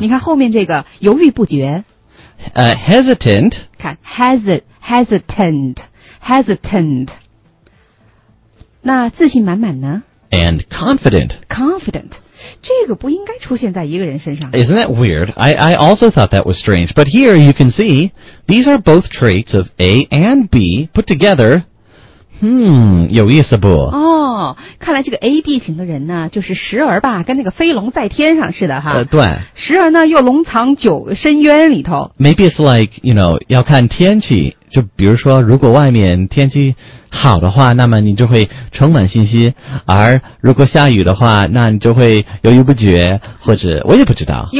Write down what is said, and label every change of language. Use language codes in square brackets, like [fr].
[zh] 你看后面这个犹豫不决。 [en] Hesitant. 看 hesitant. [zh] 那自信满满呢 [en] ？And confident. Confident. [zh] 这个不应该出现在一个人身上。 [en] Isn't that weird? I also thought that was strange. But here you can see, these are both traits of A and B put together. [zh] Hmm, 有意思不？哦，看来这个 AB 型的人呢，就是时而吧，跟那个飞龙在天上似的哈。对。时而呢，又龙藏九深渊里头。 [en] Maybe it's like, you know, [zh] 要看天气。就比如说如果外面天气好的话那么你就会充满信心而如果下雨的话那你就会犹豫不决或者我也不知道